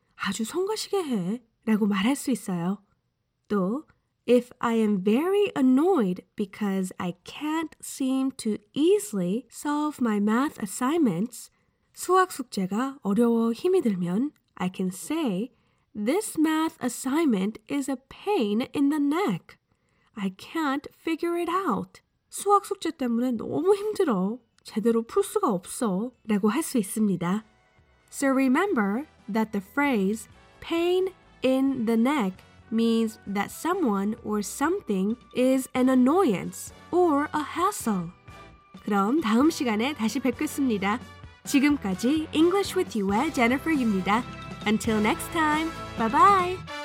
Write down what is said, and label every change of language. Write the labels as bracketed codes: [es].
[ko] 아주 성가시게 해. 라고 말할 수 있어요. 또, [en] if I am very annoyed because I can't seem to easily solve my math assignments, [ko] 수학 숙제가 어려워 힘이 들면 [en] I can say, this math assignment is a pain in the neck. I can't figure it out. [ko] 수학 숙제 때문에 너무 힘들어. 제대로 풀 수가 없어. 라고 할 수 있습니다. [en] So remember that the phrase pain in the neck means that someone or something is an annoyance or a hassle. [ko] 그럼 다음 시간에 다시 뵙겠습니다. 지금까지 English with you의 Jennifer입니다. [en] Until next time, bye-bye!